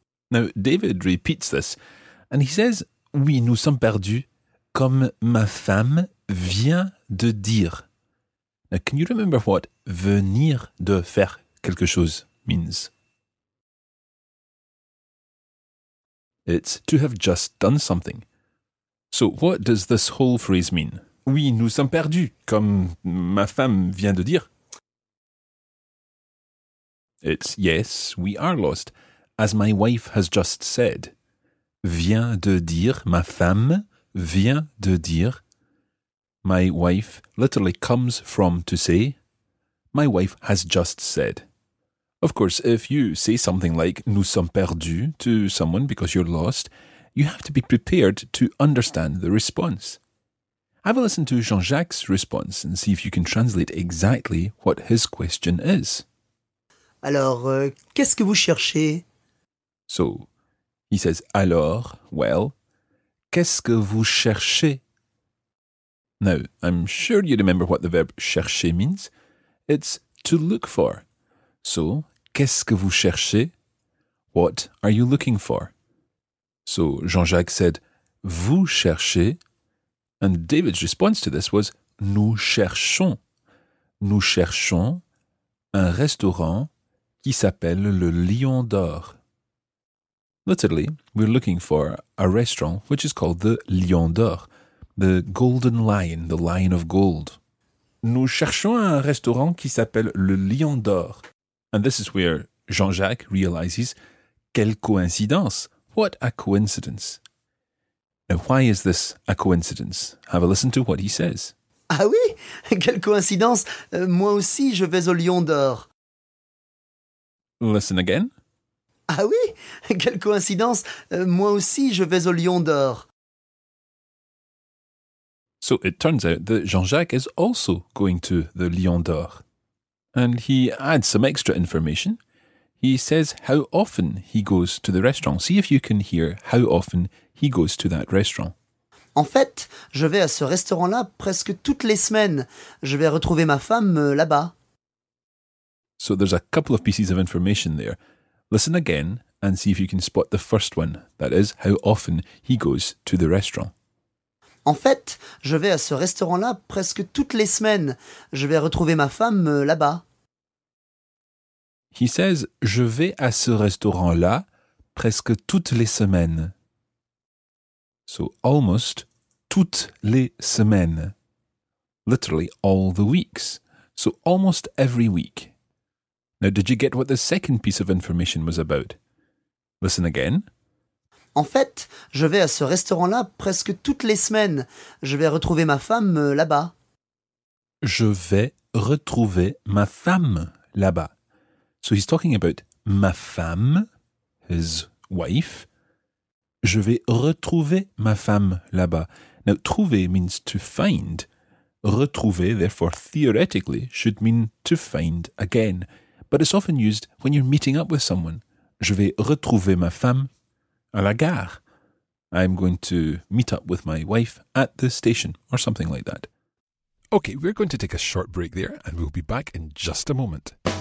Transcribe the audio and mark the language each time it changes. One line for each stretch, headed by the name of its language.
English: Now, David repeats this, and he says,
French: oui, nous sommes perdus, comme ma femme vient de dire.
English: Now, can you remember what
French: venir de faire quelque chose
English: means? It's to have just done something. So, what does this whole phrase mean?
French: Oui, nous sommes perdus, comme ma femme vient de dire.
English: It's yes, we are lost, as my wife has just said.
French: Vient de dire, ma femme vient de dire.
English: My wife literally comes from to say. My wife has just said. Of course, if you say something like
French: nous sommes perdus
English: to someone because you're lost, you have to be prepared to understand the response. Have a listen to Jean-Jacques' response and see if you can translate exactly what his question is.
French: Alors, qu'est-ce que vous cherchez?
English: So, he says,
French: alors,
English: well,
French: qu'est-ce que vous cherchez?
English: Now, I'm sure you remember what the verb chercher means. It's to look for.
French: So, qu'est-ce que vous cherchez?
English: What are you looking for? So, Jean-Jacques said,
French: vous cherchez.
English: And David's response to this was,
French: nous cherchons. Nous cherchons un restaurant qui s'appelle le Lion d'Or.
English: Literally, we're looking for a restaurant which is called the Lion d'Or, the Golden Lion, the Lion of Gold.
French: Nous cherchons un restaurant qui s'appelle le Lion d'Or.
English: And this is where Jean-Jacques realizes,
French: quelle coïncidence,
English: what a coincidence. Now, why is this a coincidence? Have a listen to what he says.
French: Ah oui, quelle coïncidence, moi aussi je vais au Lion d'Or.
English: Listen again.
French: Ah oui, quelle coïncidence, moi aussi je vais au Lion d'Or.
English: So it turns out that Jean-Jacques is also going to the Lion d'Or. And he adds some extra information. He says how often he goes to the restaurant. See if you can hear how often he goes to that restaurant.
French: En fait, je vais à ce restaurant-là presque toutes les semaines. Je vais retrouver ma femme là-bas.
English: So there's a couple of pieces of information there. Listen again and see if you can spot the first one. That is, how often he goes to the restaurant.
French: En fait, je vais à ce restaurant-là presque toutes les semaines. Je vais retrouver ma femme là-bas.
English: He says,
French: je vais à ce restaurant-là presque toutes les semaines.
English: So, almost,
French: toutes les semaines.
English: Literally, all the weeks. So, almost every week. Now, did you get what the second piece of information was about? Listen again.
French: En fait, je vais à ce restaurant-là presque toutes les semaines. Je vais retrouver ma femme là-bas. Je vais retrouver ma femme là-bas.
English: So he's talking about
French: ma femme,
English: his wife.
French: Je vais retrouver ma femme là-bas.
English: Now, trouver means to find. Retrouver, therefore, theoretically, should mean to find again. But it's often used when you're meeting up with someone.
French: Je vais retrouver ma femme à la gare.
English: I'm going to meet up with my wife at the station, or something like that. Okay, we're going to take a short break there and we'll be back in just a moment.